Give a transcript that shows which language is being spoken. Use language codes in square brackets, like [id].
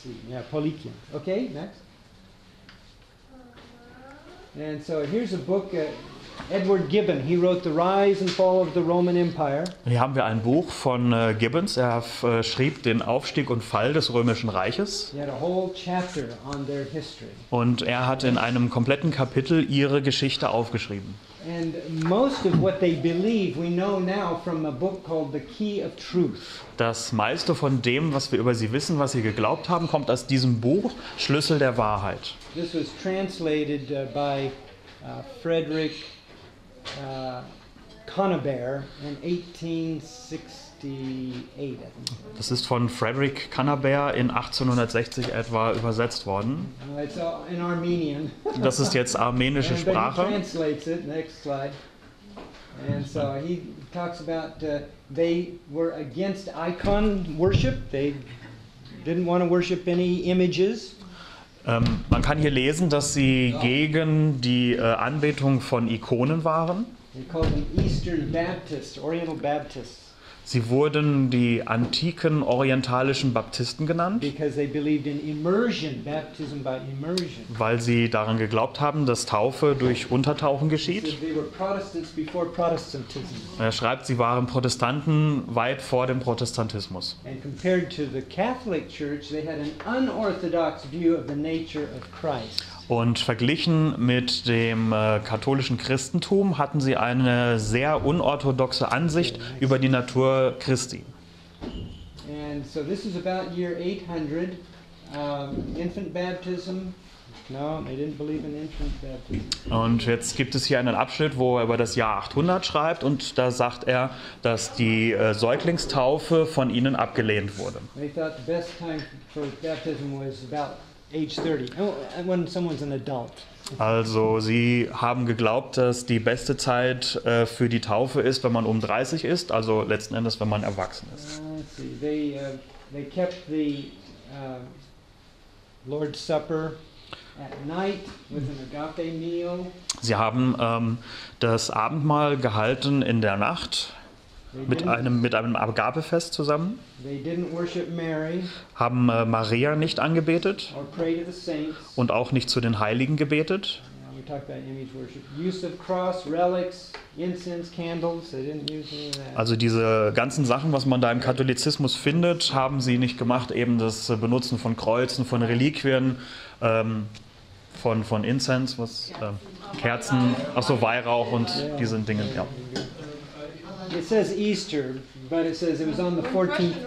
[en] Yeah, Paulician. Okay, next. And so here's a book, Edward Gibbon. He wrote The Rise and Fall of the Roman Empire. [de] Hier haben wir ein Buch von Gibbons. Er schrieb den Aufstieg und Fall des Römischen Reiches. [en] He had a whole chapter on their history. [de] Und hat in einem kompletten Kapitel ihre Geschichte aufgeschrieben. [en] And most of what they believe we know now from a book called The Key of Truth. [de] Das meiste von dem, was wir über sie wissen, was sie geglaubt haben, kommt aus diesem Buch Schlüssel der Wahrheit. [en] This was translated by Frederick Canabair in 1868. [de] Das ist von Frederick Canabair in 1860 etwa übersetzt worden. [en] It's in Armenian. [de] Das ist jetzt armenische Sprache. [en] And he translates it, next slide. And so he talks about they were against icon worship. They didn't want to worship any images. [de] Man kann hier lesen, dass sie gegen die Anbetung von Ikonen waren. [en] They called them Eastern Baptists, Oriental Baptists. [de] Sie wurden die antiken orientalischen Baptisten genannt, [en] because they believed in immersion, baptism by immersion. [de] Weil sie daran geglaubt haben, dass Taufe durch Untertauchen geschieht. [en] They were Protestants before Protestantism. [de] Er schreibt, sie waren Protestanten weit vor dem Protestantismus. [en] And compared to the Catholic Church, they had an unorthodox view of the nature of Christ. [de] Und verglichen mit dem katholischen Christentum hatten sie eine sehr unorthodoxe Ansicht über die Natur Christi. [en] And so this is about year 800. Infant baptism. No, they didn't believe in infant baptism. [de] Und jetzt gibt es hier einen Abschnitt, wo er über das Jahr 800 schreibt, und da sagt er, dass die Säuglingstaufe von ihnen abgelehnt wurde. [en] They thought the best time for baptism was about age 30, when someone's an adult. [de] Also, sie haben geglaubt, dass die beste Zeit für die Taufe ist, wenn man um 30 ist, also letzten Endes, wenn man erwachsen ist. [en] They kept the Lord's Supper at night with an agape meal. [de] Sie haben das Abendmahl gehalten in der Nacht. Mit einem Abgabefest zusammen. [en] They didn't worship Mary, [de] haben Maria nicht angebetet [en] or pray to the saints, [de] und auch nicht zu den Heiligen gebetet. [en] We talked about image worship. Use of cross, relics, incense, candles. They didn't use any of that. [de] Also diese ganzen Sachen, was man da im Katholizismus findet, haben sie nicht gemacht. Eben das Benutzen von Kreuzen, von Reliquien, von Incense, was, Kerzen, achso, Weihrauch und diesen Dingen. Ja. [en] It says Easter, but it says it was on the 14th.